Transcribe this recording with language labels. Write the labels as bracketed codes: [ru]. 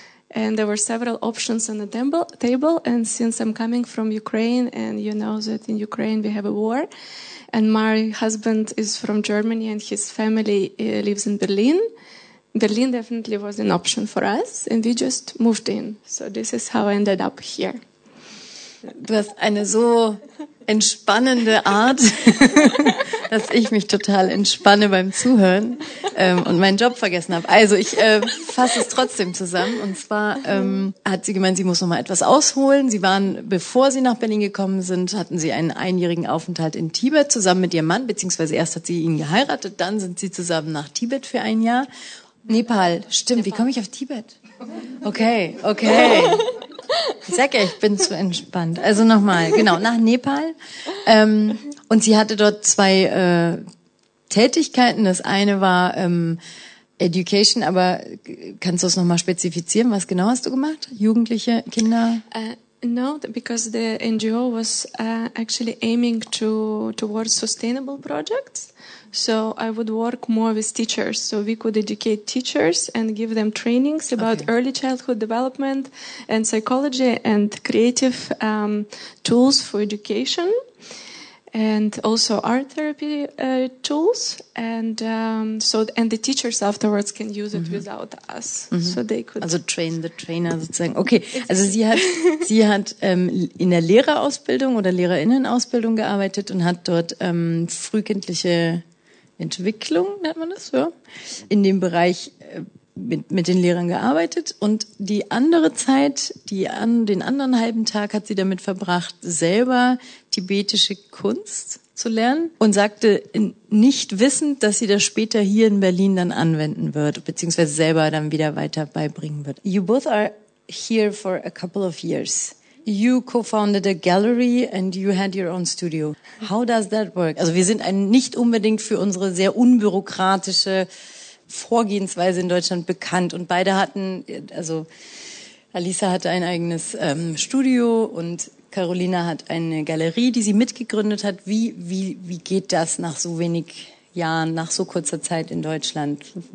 [en] And there were several options on the table. And since I'm coming from Ukraine, and you know that in Ukraine we have a war, and my husband is from Germany and his family lives in Berlin, Berlin definitely was an option for us, and we just moved in. So this is how I ended up here. [de] Du hast eine so entspannende Art, dass ich mich total entspanne beim Zuhören und meinen Job vergessen habe. Also ich fasse es trotzdem zusammen. Und zwar hat sie gemeint, sie muss noch mal etwas ausholen. Sie waren, bevor sie nach Berlin gekommen sind, hatten sie einen einjährigen Aufenthalt in Tibet zusammen mit ihrem Mann, beziehungsweise erst hat sie ihn geheiratet, dann sind sie zusammen nach Tibet für ein Jahr. Nepal, stimmt, Nepal. Wie komme ich auf Tibet? Okay. Ich sag ja, ich bin zu entspannt. Also nochmal, genau, nach Nepal. Und sie hatte dort 2 Tätigkeiten. Das eine war Education, aber kannst du es nochmal spezifizieren? Was genau hast du gemacht? Jugendliche, Kinder? [en] No, because the NGO was actually aiming towards sustainable projects. So I would work more with teachers. So we could educate teachers and give them trainings about okay. early childhood development and psychology and creative tools for education. and also art therapy tools, and so and the teachers afterwards can use it without us, so they could also train the trainer sozusagen. [de] Okay, also sie hat in der Lehrerausbildung oder Lehrerinnenausbildung gearbeitet und hat dort frühkindliche Entwicklung, nennt man das, ja, in dem Bereich mit den Lehrern gearbeitet, und die andere Zeit, den anderen halben Tag hat sie damit verbracht, selber tibetische Kunst zu lernen, und sagte, nicht wissend, dass sie das später hier in Berlin dann anwenden wird, beziehungsweise selber dann wieder weiter beibringen wird. [en] You both are here for a couple of years. You co-founded a gallery and you had your own studio. How does that work? [de] Also wir sind nicht unbedingt für unsere sehr unbürokratische Vorgehensweise in Deutschland bekannt, und beide hatten, also Alisa hatte ein eigenes Studio und Carolina hat eine Galerie, die sie mitgegründet hat. Wie geht das nach so wenig Jahren, nach so kurzer Zeit in Deutschland?